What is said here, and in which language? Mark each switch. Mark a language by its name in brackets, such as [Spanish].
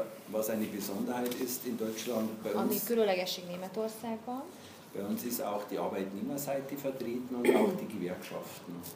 [German] Was eine Besonderheit ist in Deutschland bei uns. [Hungarian] Ami különlegesség Németországban. [German] Bei uns ist auch die Arbeitnehmerseite vertreten und auch die Gewerkschaften.